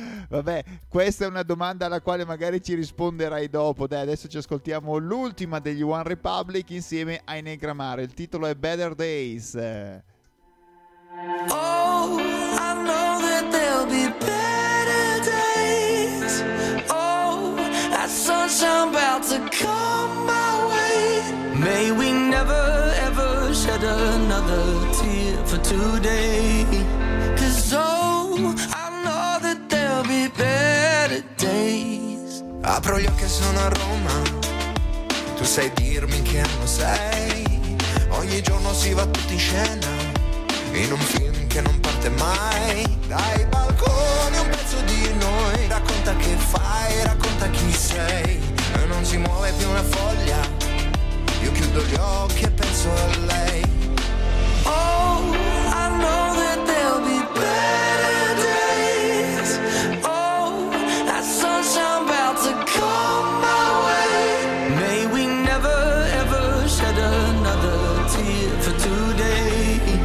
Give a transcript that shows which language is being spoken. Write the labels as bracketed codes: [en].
[it] Vabbè, questa è una domanda alla quale magari ci risponderai dopo. Dai, adesso ci ascoltiamo l'ultima degli One Republic insieme a Enneagrammare. Il titolo è Better Days. [en] Oh, I know that there'll be better days. Oh, that sunshine about to come my way. May we never ever shed another tear for today. 'Cause oh, I know that there'll be better days. [it] Apro gli occhi e sono a Roma. Tu sai dirmi che anno sei. Ogni giorno si va tutti in scena in un film che non parte mai. Dai balconi un pezzo di noi. Racconta che fai, racconta chi sei. E non si muove più una foglia. Io chiudo gli occhi e penso a lei. [en] Oh, I know that there'll be better days. Oh, that sunshine about to come my way. May we never ever shed another tear for today.